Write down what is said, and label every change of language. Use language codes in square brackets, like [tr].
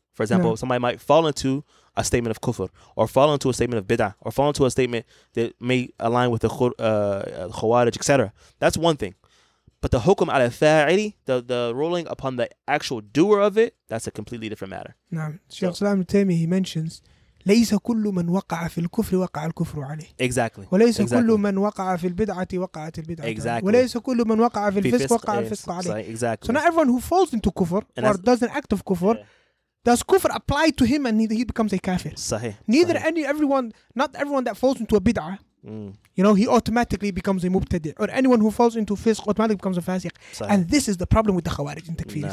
[en] For example, somebody might fall into a statement of kufr, or fall into a statement of bid'ah, or fall into a statement that may align with the khawarij, etc. That's one thing. But the hukum ala fa'ili, the ruling upon the actual doer of it, that's a completely different matter. Now, Shaykh Salam al-Taymi, he mentions [ar] ليس كل من وقع في الكفر وقع الكفر عليه. [en] Exactly. [ar] وليس [en] exactly. [ar] كل من وقع في البدعة وقعت البدعة. [en] Exactly. [ar] وليس كل من وقع في الفسق وقع الفسق عليه. [en] Exactly. So not everyone who falls into kufr or does an act of kufr, yeah. does kufr apply to him and he becomes a kafir? [ar] صحيح. [en] Neither صحيح. Any everyone, not everyone that falls into a بدعة, you know, he automatically becomes a mubtadi, or anyone who falls into fisq automatically becomes a fasiq. And this is the problem with the khawarij and takfiris.